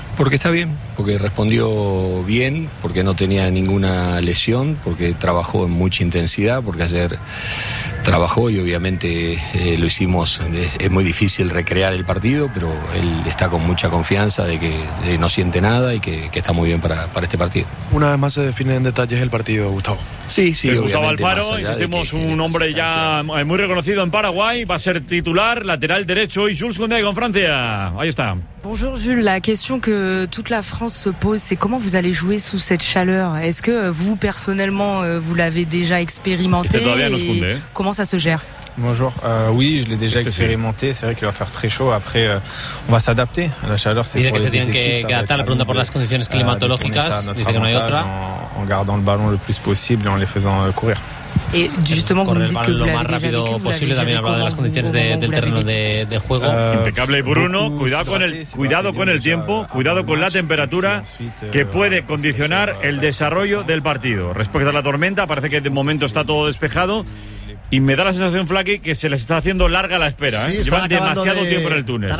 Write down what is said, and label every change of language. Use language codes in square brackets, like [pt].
[es] Porque está bien, porque respondió bien, porque no tenía ninguna lesión, porque trabajó en mucha intensidad, porque ayer trabajó y obviamente lo hicimos, es muy difícil recrear el partido, pero él está con mucha confianza de que no siente nada y que está muy bien para este partido. Una vez más se define en detalles el partido, Gustavo. Sí, Gustavo Alfaro, insistimos, un hombre ya muy reconocido en Paraguay, va a ser titular, lateral derecho, y Jules Koundé con Francia, ahí está. [fr] Bonjour Jules, la question que toute la France se pose, c'est comment vous allez jouer sous cette chaleur? Est-ce que vous, personnellement, vous l'avez déjà expérimenté? Comment ça se gère? Bonjour, oui, je l'ai déjà expérimenté, c'est vrai qu'il va faire très chaud, après on va s'adapter à la chaleur, c'est pour les deux équipes. [es] Il dit que se tiene que adaptar, la pregunta por las condiciones climatológicas, dice que no hay otra. [fr] En gardant le ballon le plus possible et en les faisant courir. Et justement, vous me dites que vous l'avez déjà vécu, possible, vous l'avez déjà vécu, comment vous l'avez vécu? [es] Impeccable juego. Impecable Bruno, cuidado con el tiempo, cuidado con la temperatura, que puede condicionar el desarrollo del partido. Respecto a la tormenta, parece que de momento está todo despejado. Y me da la sensación, Flaky, que se les está haciendo larga la espera, ¿eh? Sí, llevan demasiado tiempo en el túnel.